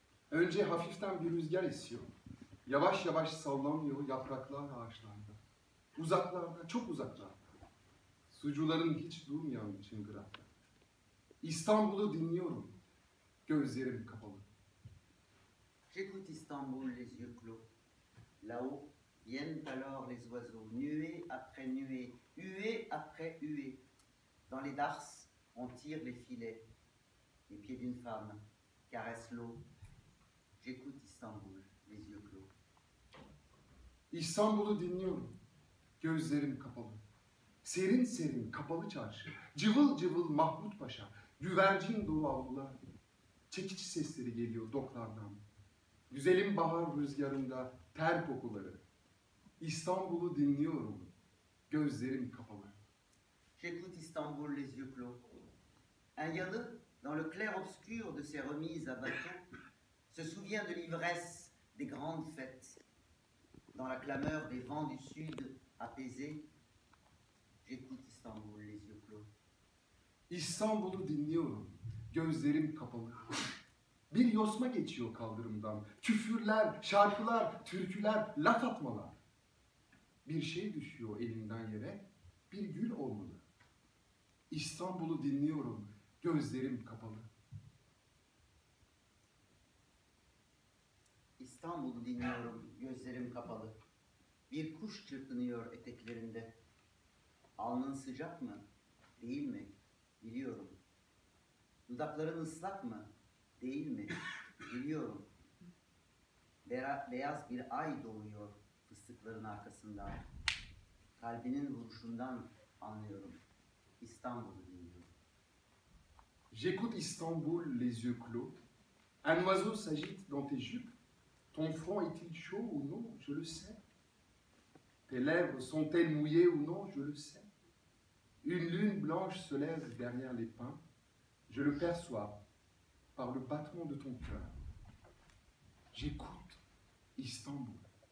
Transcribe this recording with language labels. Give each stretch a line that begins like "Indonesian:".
Turkish: Önce hafiften bir rüzgar esiyor. Yavaş yavaş sallanıyor yapraklar ağaçlarda. Uzaklarda, çok uzaklarda. Sucuların hiç durmayan çıngırakta. İstanbul'u dinliyorum. Gözlerim kapalı.
French: J'écoute Istanbul les yeux clos. Là-haut viennent alors les oiseaux, nuée, huée après huée. Dans les darses, on tire les filets. Les pieds d'une femme caressent l'eau. J'écoute Istanbul les yeux clos.
Turkish: İstanbul'u dinliyorum, gözlerim kapalı. Serin serin kapalı çarşı, cıvıl cıvıl Mahmut Paşa, güvercin dolu avlular. Çekiç sesleri geliyor doklardan. Güzelim bahar rüzgarında ter kokuları. İstanbul'u dinliyorum, gözlerim kapalı.
French: J'écoute Istanbul les yeux clos. Un yalı dans le clair obscur de ses remises à bateau se souvient de l'ivresse des grandes fêtes. Dans la clameur des vents du sud apaisés, j'écoute Istanbul les yeux clos.
Turkish: İstanbul'u dinliyorum, gözlerim kapalı. Bir yosma geçiyor kaldırımdan. Küfürler, şarkılar, türküler, laf atmalar. Bir şey düşüyor elinden yere, bir gül olmalı. İstanbul'u dinliyorum, gözlerim kapalı. İstanbul'u dinliyorum, gözlerim kapalı. Bir kuş çırpınıyor eteklerinde. Alnın sıcak mı, değil mi, biliyorum. Dudakların ıslak mı, değil mi, biliyorum. Beyaz bir ay doğuyor fıstıkların arkasından. Kalbinin vuruşundan anlıyorum. İstanbul'u dinliyorum.
French: J'écoute Istanbul, les yeux clos. Un oiseau s'agite dans tes jupes. Ton front est-il chaud ou non, je le sais. Tes lèvres sont-elles mouillées ou non, je le sais. Une lune blanche se lève derrière les pins. Je le perçois par le battement de ton cœur. J'écoute Istanbul.